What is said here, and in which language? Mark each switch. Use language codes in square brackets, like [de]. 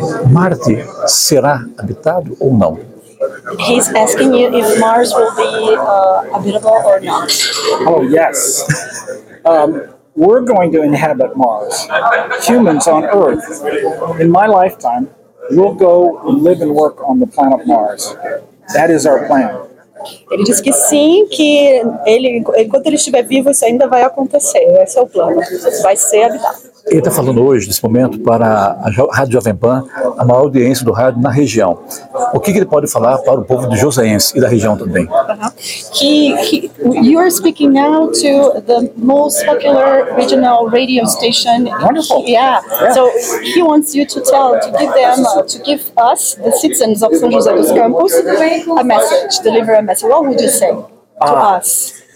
[pt] Marte será habitado ou não? [en] He's asking you if Mars will be habitable or not. Oh, yes. We're going to inhabit Mars. Humans on Earth, in my lifetime, will go live and work on the planet Mars. That is our plan. [pt] Ele disse que sim, que ele, enquanto ele estiver vivo, isso ainda vai acontecer. Esse é o plano. Vai ser habitado. Ele está falando hoje, nesse momento, para a Rádio Jovem Pan, a maior audiência do rádio na região. O que, que ele pode falar para o povo de Joseense e da região também? [en] You are speaking now to the most popular regional radio station. Wonderful. Yeah. So he wants you to tell, to give them, to give us, the citizens of São José dos Campos, a message, deliver a message. What would you say to us?